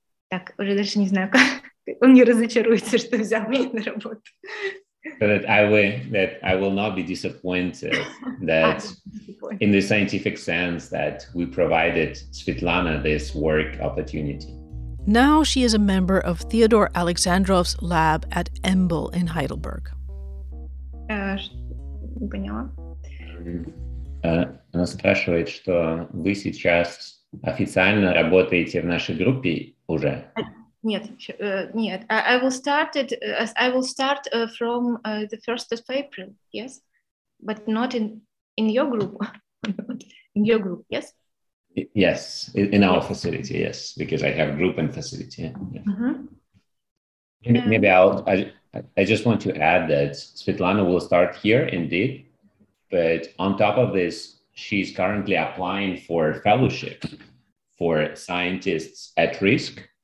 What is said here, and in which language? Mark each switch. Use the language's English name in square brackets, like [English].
[Russian] Так, уже дальше не знаю, как. Он не разочаруется, что взял меня на работу. [English] That I will not be disappointed that in the scientific sense that we provided Svetlana this work opportunity. Now she is a member of Theodore Alexandrov's lab at EMBL in Heidelberg. [Russian] Не поняла. Она спрашивает, что вы сейчас официально работаете в нашей группе уже? Нет. [English] I will start from the 1st of April, yes, but not in in your group. In your group, yes? Yes, in our facility, yes, because I have group and facility. Yeah. Mm-hmm. Maybe I just want to add that Svetlana will start here indeed, but on top of this, she's currently applying for fellowship for scientists at risk.